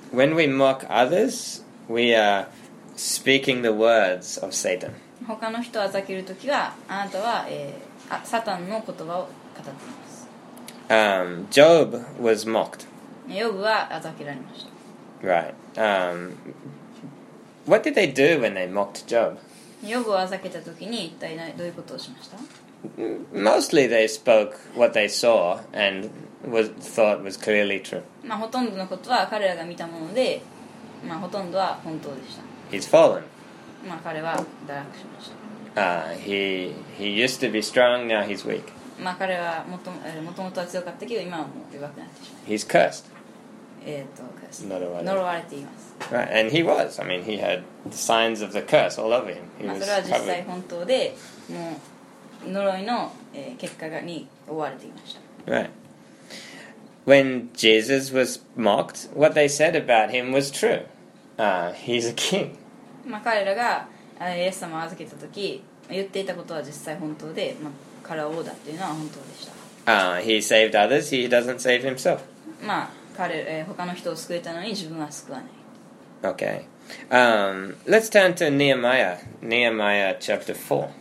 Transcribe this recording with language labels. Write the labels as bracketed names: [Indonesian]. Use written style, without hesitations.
[English] When we mock others, we are speaking the words of Satan. [Japanese] 他の人をあざけるときは、あなたは、サタンの言葉を語っています。 [English] Job was mocked. [Japanese] ヨブはあざけられました。 [English] Right. What did they do when they mocked Job? [Japanese] ヨブをあざけたときに一体どういうことをしました？ [English] Mostly they spoke what they saw and was thought was clearly true. [Japanese] まあほとんどのことは彼らが見たもので、まあほとんどは本当でした。 [English] He's fallen. [Japanese] まあ、彼は堕落しました。 [English] He used to be strong, now he's weak. [Japanese] まあ彼はもともとは強かったけど、今はもう弱くなってしまいました。 [English] He's cursed. Cursed. [Japanese] 呪われています。 [English] Right, and he was. I mean, he had signs of the curse all over him. [Japanese] まあそれは実際本当で、もう呪いの結果に覆われていました。 [English] Right. When Jesus was mocked, what they said about him was true. He's a king. [Japanese] まあ、彼らがイエス様を預けた時言っていたことは実際本当で、まあ、彼は王だっていうのは本当でした。 [English] He saved others, he doesn't save himself. [Japanese] まあ彼、他の人を救えたのに自分は救わない。 [English] Okay. Let's turn to Nehemiah. Nehemiah chapter 4.